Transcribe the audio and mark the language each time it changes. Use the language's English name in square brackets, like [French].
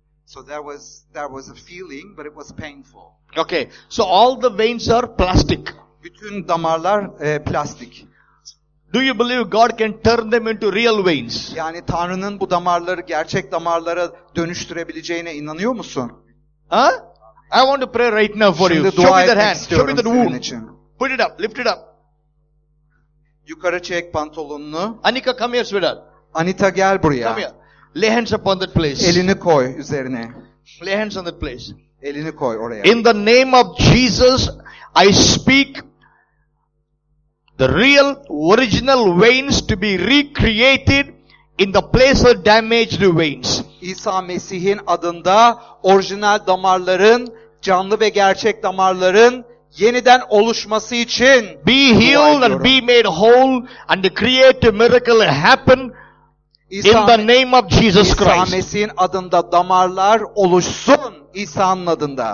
[English] So there was a feeling but it was painful. Okay. So all the veins are plastic. [Turkish] Bütün damarlar plastik. [English] Do you believe God can turn them into real veins? [Turkish] Yani Tanrı'nın bu damarları gerçek damarlara dönüştürebileceğine inanıyor musun? [English] Huh? I want to pray right now for [Turkish] Şimdi [English] you. Show me that hand. Show me that wound. [Turkish] Için. [English] Put it up, lift it up. [Turkish] Yukarı çek pantolonunu. [English] Anika, come here, sweetheart. [Turkish] Anita, gel buraya. [English] Come here. Lay hands upon that place. [Turkish] Elini koy üzerine. [English] Lay hands on that place. [Turkish] Elini koy oraya. [English] In the name of Jesus, I speak the real, original veins to be recreated in the place of damaged veins. [Turkish] İsa Mesih'in adında orijinal damarların, canlı ve gerçek damarların yeniden oluşması için [English] be healed and be made whole and create a miracle happen in the name of Jesus Christ. [Turkish] İsa Mesih'in adında damarlar oluşsun İsa'nın adında.